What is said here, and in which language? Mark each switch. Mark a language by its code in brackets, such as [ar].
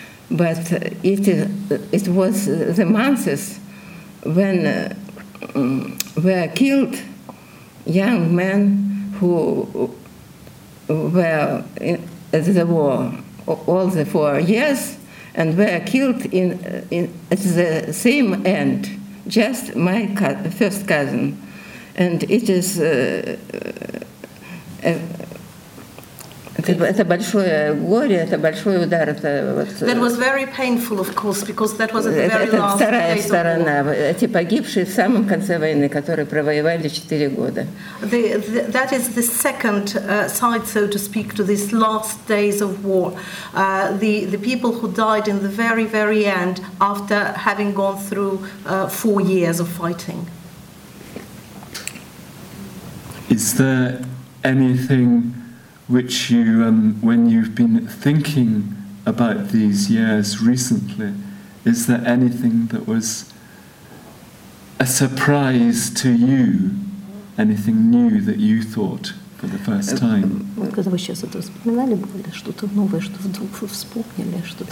[en] But it was the months when were killed young men who were at the war all the 4 years, and were killed in at the same end, just my first cousin. And it is [ru] это большое горе, это большой удар. Это вот. [en] That was very painful, of course, because that was at the very last. [ru] Это вторая сторона. Эти погибшие в самом конце войны, которые провоевали 4 года. [en] That is the second side, so to speak, to this last days of war. The people who died in the very, very end, after having gone through 4 years of fighting. Is there anything which you, when you've been thinking about these years recently, is there anything that was a surprise to you? Anything new that you thought for the first time? [ru] Когда вы сейчас это вспоминали, было ли что-то новое, что вдруг вы вспомнили, что-то